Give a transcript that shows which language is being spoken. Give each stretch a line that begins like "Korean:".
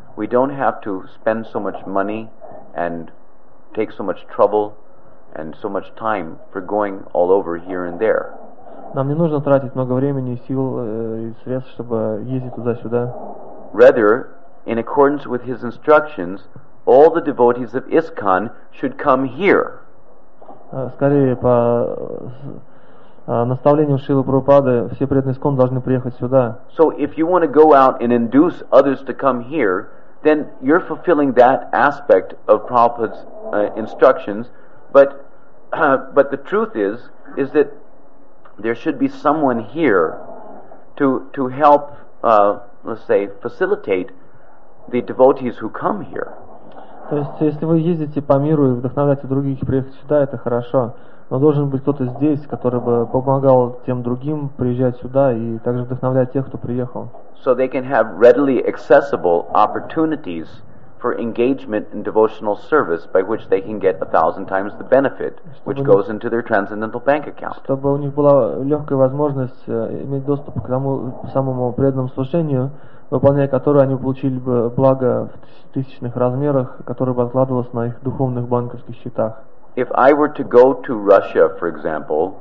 English: We don't have to spend so much money and take so much trouble and so much time for going all over here and there.
Russian: Нам не нужно тратить много времени, сил и средств, чтобы ездить туда-сюда.
English: Rather, in accordance with his instructions, all the devotees of ISKCON should come here.
Russian: Скорее, по наставлениям Шрилы Прабхупады, все преданные ISKCON должны приехать сюда.
English: So if you want to go out and induce others to come here, then you're fulfilling that aspect of Prabhupada's instructions. But the truth is that there should be someone here to help, let's say, facilitate the devotees who come here.
Russian: То есть, если вы ездите по миру и вдохновляете других приехать сюда, это хорошо. Но должен быть кто-то здесь, который бы помогал тем другим приезжать сюда и также вдохновлять тех, кто приехал.
English: So they can have readily accessible opportunities for engagement in devotional service by which they can get 1,000 times the benefit which goes into their transcendental bank account.
Russian: Чтобы у них была легкая возможность иметь доступ к тому самому преданному служению, выполняя которое они получили бы благо в тысячных размерах, которое бы откладывалось на их духовных банковских счетах.
English: If I were to go to Russia, for example,